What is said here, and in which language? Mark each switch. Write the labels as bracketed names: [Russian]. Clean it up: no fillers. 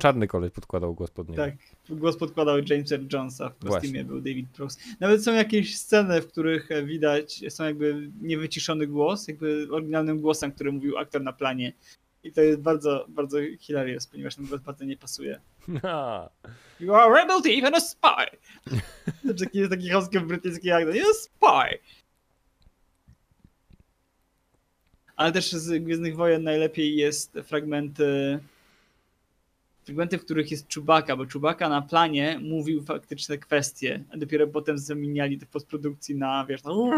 [Polish] Czarny koleś podkładał głos pod niego. Tak, głos podkładał James Earl Jonesa, w kostiumie właśnie. Był David Prowse. Nawet są jakieś sceny, w których widać, są jakby niewyciszony głos, jakby oryginalnym głosem, który mówił aktor na planie. I to jest bardzo, bardzo hilarious, ponieważ ten głos bardzo nie pasuje. [English] You are a rebel thief and a spy! [Polish] Taki jest taki chłopski brytyjski aktor. [English] You're a spy! [Polish] Ale też z Gwiezdnych Wojen najlepiej jest fragmenty, w których jest Chewbacca, bo Chewbacca na planie mówił faktyczne kwestie, a dopiero potem zamieniali to w postprodukcji na, wiesz, na...